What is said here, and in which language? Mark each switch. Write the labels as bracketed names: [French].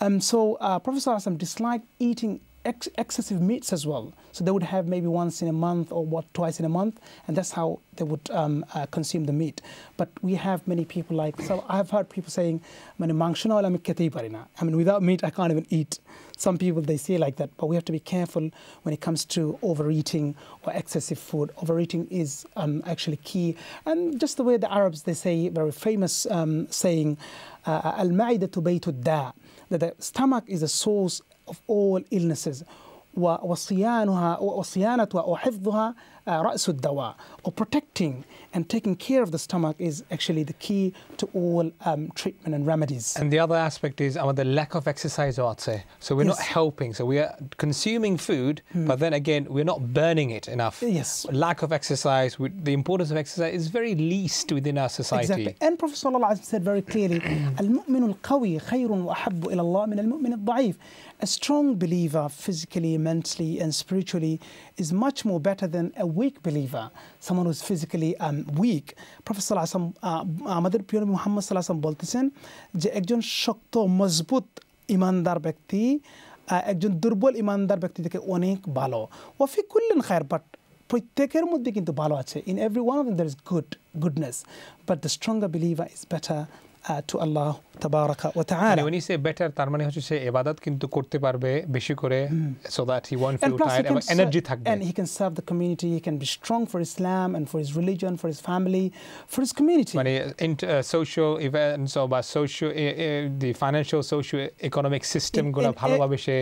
[English] so professor Azzam dislike eating excessive meats as well so they would have maybe once in a month or what twice in a month and that's how they would consume the meat but we have many people like so I have heard people saying [Bangla] মানে মাংস না হলে আমি খেতেই পারি না [English] I mean without meat I can't even eat Some people, they say like that, but we have to be careful when it comes to overeating or excessive food. Overeating is actually key. And just the way the Arabs, they say, very famous saying, al-ma'idatu baytu da, that the stomach is a source of all illnesses. Or protecting and taking care of the stomach is actually the key to all treatment and remedies. And the other aspect is the lack of exercise, so we're not helping. So we are consuming food, but then again, we're not burning it enough. Yes. Lack of exercise, the importance of exercise is very least within our society. Exactly. [Arabic] And Prophet Sallallahu Alaihi said very clearly, المؤمن القوي خير وأحب إلى الله من المؤمن الضعيف. [English] A strong believer physically, mentally, and spiritually is much more better than a weak believer, someone who's physically weak. [Bangla] Prophet Sallallahu Alaihi Wasallam, আমাদের প্রিয় নবী মুহাম্মদ সাল্লাল্লাহু আলাইহি ওয়াসাল্লাম বলতেছেন যে একজন শক্ত মজবুত ইমানদার ব্যক্তি একজন দুর্বল ইমানদার ব্যক্তি থেকে অনেক ভালো [Arabic] ওয়াফি কুল্লিন খায়ের [Bangla] বাট প্রত্যেকের মধ্যে কিন্তু ভালো আছে [English] In every one of there is goodness but the stronger believer is better to Allah tabaraka wa ta'ala. When you say better, [Bangla] tar mane hocche sei ibadat kintu korte parbe beshi kore [English] so that he won't feel and tired and energy thakbe. And he can serve the community, he can be strong for Islam and for his religion, for his family, for his community. Mane social events or by social the financial socio economic system [Bangla] gula bhalo bhabe she